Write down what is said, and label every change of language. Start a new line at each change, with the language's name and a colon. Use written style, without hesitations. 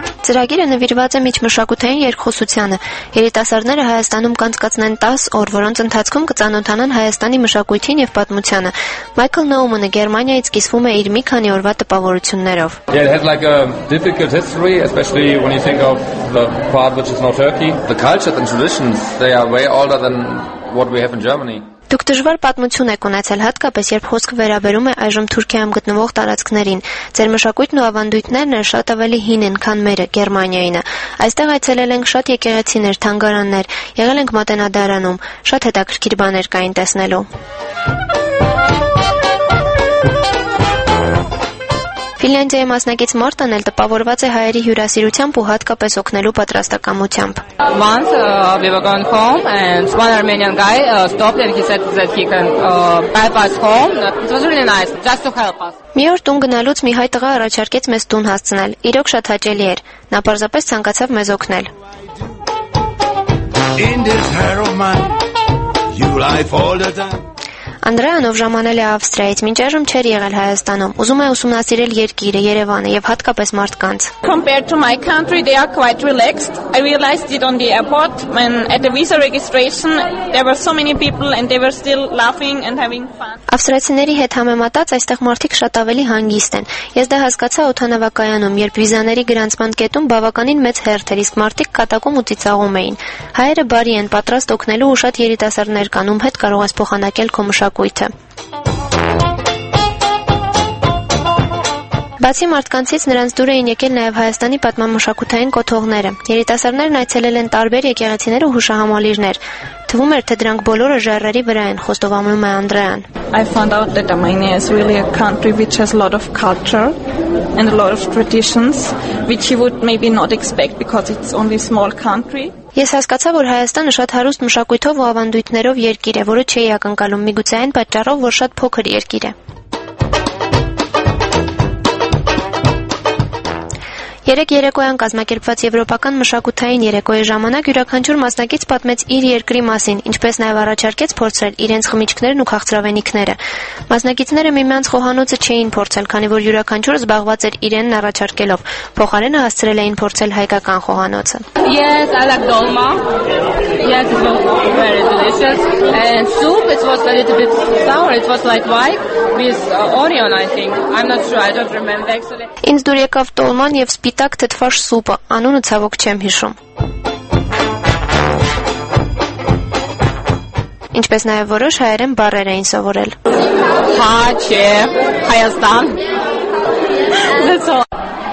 Armenian: Ծրագիրը նվիրված է միջմշակութային երկխոսությանը։ Երիտասարդները Հայաստանում կանցկացնեն 10 օր, որոնց ընթացքում կծանոթանան Հայաստանի մշակույթին եւ պատմությանը։ Մայքլ Նոումանը Գերմանիայից կիսվում է իր մի քանի օրվա տպավորություններով։
English: Yeah, it had like a difficult history, especially when you think of the part which is now Turkey. The culture and traditions, they are way older than what we have in Germany.
Armenian: Դուք դժվար պատմություն եք ունեցել, հատկապես երբ խոսքը վերաբերում է այժմ Թուրքիայում գտնվող տարածքներին։ Ձեր մշակույթն ու ավանդույթներն են շատ ավելի հին են, քան մերը, Գերմանիայինը։ Այստեղ այցելել ենք շատ եկեղեցիներ, թանգարաններ, եղել ենք Մատենադարանում, շատ հետաքրքիր բաներ կային տեսնելու։ Ֆինլանդիայի մասնակից Մարտան էլ տպավորված է հայերի հյուրասիրությամբ ու հատկապես օգնելու պատրաստակամությամբ։
English: Once we were going home and one Armenian guy stopped and he said that he can help us home. It was really nice just to help us.
Armenian: Մի օր տուն գնալուց մի հայ տղա առաջարկեց մեզ տուն հասցնել։ Իրոք շատ հաճելի էր։ Նա պարզապես ցանկացավ մեզ օգնել։ Անդրեան ով ժամանել է Ավստրիայից, մինչ այժմ չէր եղել Հայաստանում, ուզում է ուսումնասիրել երկիրը, Երևանը եւ հատկապես մարդկանց։
English: Compared to my country, they are quite relaxed. I realized it on the airport when at the visa registration there were so many people and they were still laughing and having fun.
Armenian: Ավստրացիների հետ համեմատած այստեղ մարդիկ շատ ավելի հանգիստ են։ Ես դա հասկացա օդանավակայանում, երբ վիզաների գրանցման կետում բավականին մեծ հերթ էր, իսկ մարդիկ կատակում ու ծիծաղում էին։ Հայերը բարի են, պատրաստ օգնելու ու շատ երիտասարդներ կան, ում հետ կարող ես փոխանակել քո մշակույթը։ Բացի մարդկանցից նրանց դուր էին եկել նաև Հայաստանի պատմամշակութային կոթողները։ Երիտասարդներն այցելել են տարբեր եկեղեցիներ ու հուշահամալիրներ։ Թվում էր, թե դրանք բոլորը ժառերի վրա են, խոստովանում է Անդրեան։
English: I found out that Armenia is really a country which has a lot of culture and a lot of traditions which you would maybe not expect because it's only a small country.
Armenian: Ես հասկացա, որ Հայաստանը շատ հարուստ մշակույթով ու ավանդույթներով երկիր է, որը չի ակնկալում միգուցե այն պատճառով, որ շատ փոքր երկիր է։ Երեկոյան կազմակերպված Եվրոպական մշակութային երեկոյի ժամանակ յուրաքանչյուր մասնակից պատմեց իր երկրի մասին, ինչպես նաև առաջարկեց փորձել իրենց խմիչքներն ու քաղցրավենիքները։ Մասնակիցները միմյանց խոհանոցը չէին փորձել, քանի որ յուրաքանչյուր զբաղված էր իրենն առաջարկելով։ Փոխարենը հասցրել էին փորձել հայկական խոհանոցը։
English: Yes, I like dolma. Yes, it's very delicious. And soup, it was a little bit sour. It was like white with onion, I think. I'm not sure. I don't remember actually.
Armenian: Ինձ դուր եկավ դոլման եւ սպիտակ թթվաշ սուպը, անունը ցավոք չեմ հիշում։ Ինչպես նաեւ որոշ հայերեն բառեր էին սովորել։ Հա, չէ, Հայաստան։
English: That's all.